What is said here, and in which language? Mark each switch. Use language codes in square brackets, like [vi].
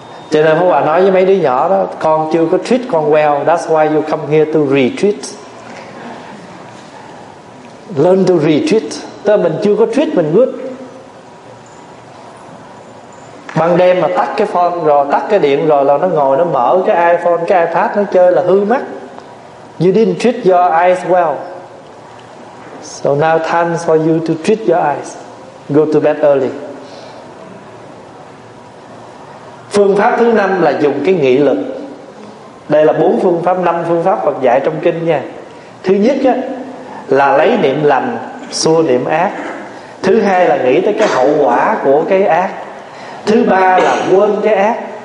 [vi] Cho nên Pháp Hòa nói với mấy đứa nhỏ đó, con chưa có treat con well, [en] that's why you come here to retreat. Learn to retreat. [vi] Tức là mình chưa có treat mình good. Ban đêm mà tắt cái phone rồi, tắt cái điện rồi, là nó ngồi nó mở cái iPhone, cái iPad nó chơi là hư mắt. [en] You didn't treat your eyes well. So now time for you to treat your eyes. Go to bed early. [vi] Phương pháp thứ năm là dùng cái nghị lực. Đây là bốn phương pháp, năm phương pháp Phật dạy trong kinh nha. Thứ nhất á, là lấy niệm lành xua niệm ác. Thứ hai là nghĩ tới cái hậu quả của cái ác. Thứ ba là quên cái ác.